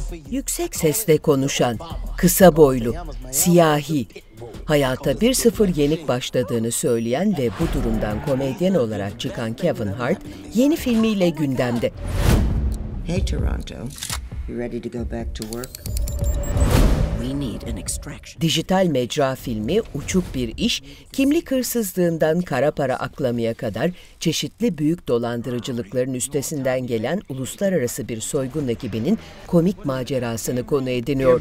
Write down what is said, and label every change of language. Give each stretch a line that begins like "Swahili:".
Turkish: Yüksek sesle konuşan, kısa boylu, siyahi, hayata bir sıfır yenik başladığını söyleyen ve bu durumdan komedyen olarak çıkan Kevin Hart yeni filmiyle gündemde.
English: Hey Toronto, you ready to go back to work? We need an extraction.
Turkish: Dijital mecra filmi uçuk bir iş, kimlik hırsızlığından kara para aklamaya kadar çeşitli büyük dolandırıcılıkların üstesinden gelen uluslararası bir soygun ekibinin komik macerasını konu ediniyor.